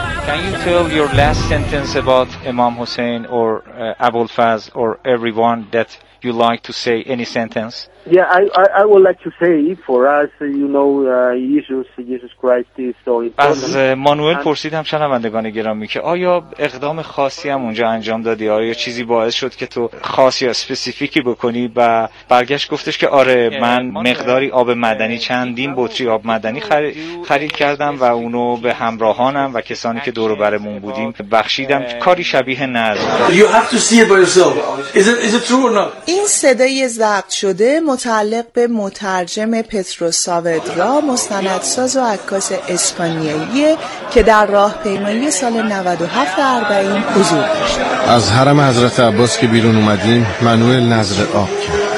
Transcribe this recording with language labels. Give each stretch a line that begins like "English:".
English: Can you tell your last sentence about Imam Hussein or Abu al-Fazl or everyone that you like to say, any sentence? Yeah, I would like to say for us, you know, Jesus Christ is so important.
Persian: از مانوئل پرسیدم شنوندگان گرامی که آیا اقدام خاصی هم اونجا انجام دادی؟ آیا چیزی باعث شد که تو خاص یا اسپسیفیکی بکنی؟ و برگشت گفتش که آره، من مقداری آب معدنی، چندین بطری آب معدنی خرید کردم و اونو به همراهانم و کسانی که دور و برمون بودیم بخشیدم. کاری شبیه نذر.
English: You have to see it by yourself. Is it true or not?
Persian: این صدای ضبط شده متعلق به مترجم پتروس ساودرا، مستندساز و عکاس اسپانیایی که در راه پیمایی سال 97 اربعین حضور داشت. از حرم حضرت عباس که بیرون اومدیم، مانوئل نظر آب کرد.